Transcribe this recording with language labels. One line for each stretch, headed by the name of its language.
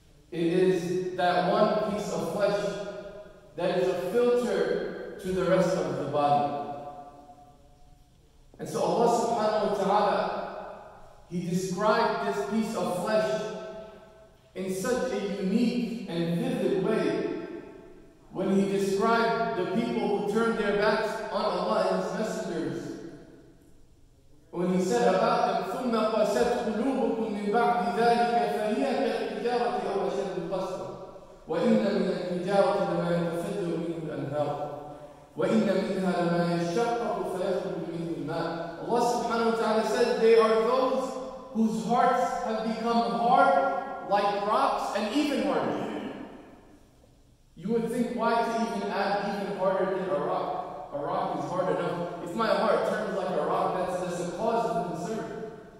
English: It is that one piece of flesh that is a filter to the rest of the body. And so Allah subhanahu wa ta'ala, He described this piece of flesh in such a unique and vivid way when he described the people who turned their backs on Allah and His messengers, when he said about them,
Arabic: ثُمَّ قَسَتْ قُلُوبُكُمْ مِنْ بَعْدِ ذَلِكَ فَهِيَ كَالْحِجَارَةِ أَوْ أَشَدُّ قَسْوَةً وَإِنَّ مِنَ الْحِجَارَةِ لَمَا يَنْتَفِضُّ مِنْهُ الْأَنْهَارُ وَإِنَّ مِنْهَا لَمَا يَشَّقَّقُ فَيَخْرُجُ مِنْهُ الْمَاءُ.
English: Allah subhanahu wa ta'ala said, they are those whose hearts have become hard like rocks and even harder. You would think, why to even add even harder than a rock? A rock is hard enough. If my heart turns like a rock, that's a cause of concern.